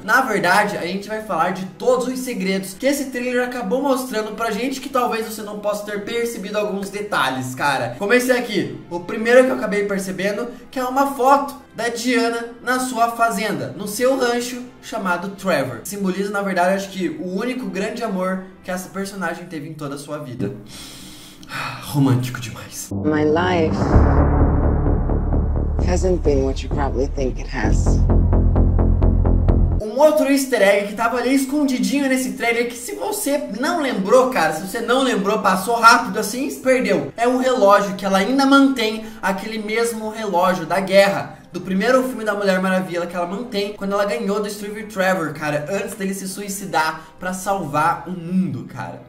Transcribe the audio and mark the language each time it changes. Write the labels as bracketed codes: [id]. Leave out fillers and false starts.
[pt] Na verdade, a gente vai falar de todos os segredos que esse trailer acabou mostrando pra gente, que talvez você não possa ter percebido alguns detalhes, cara. Comecei aqui. O primeiro que eu acabei percebendo, que é uma foto da Diana na sua fazenda, no seu rancho chamado Trevor. Simboliza, na verdade, acho que o único grande amor que essa personagem teve em toda a sua vida. Romântico demais. [en] My life hasn't been what you probably think it has. [pt] Um outro easter egg que tava ali escondidinho nesse trailer, que se você não lembrou, cara, se você não lembrou, passou rápido assim, perdeu. É um relógio que ela ainda mantém, aquele mesmo relógio da guerra, do primeiro filme da Mulher Maravilha, que ela mantém quando ela ganhou do Steve Trevor, cara, antes dele se suicidar pra salvar o mundo, cara.